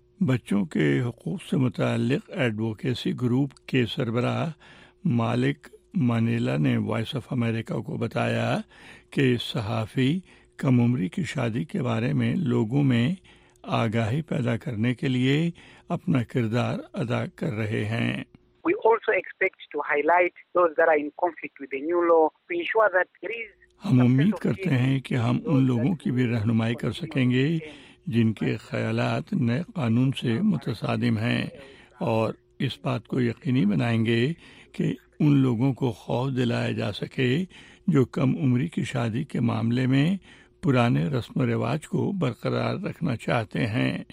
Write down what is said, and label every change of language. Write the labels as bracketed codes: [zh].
[ur] بچوں کے حقوق سے متعلق ایڈوکیسی گروپ کے سربراہ مالک مانیلا نے وائس آف امریکہ کو بتایا کہ صحافی کم عمری کی شادی کے بارے میں لوگوں میں آگاہی پیدا کرنے کے لیے اپنا کردار ادا کر رہے ہیں۔ [en] We also expect to highlight those that are in conflict with the new law to ensure that there is... [ur] ہم امید کرتے ہیں کہ ہم ان لوگوں کی بھی رہنمائی کر سکیں گے جن کے خیالات نئے قانون سے متصادم ہیں، اور اس بات کو یقینی بنائیں گے کہ ان لوگوں کو خوف دلایا جا سکے جو کم عمری کی شادی کے معاملے میں پرانے رسم و رواج کو برقرار رکھنا چاہتے ہیں۔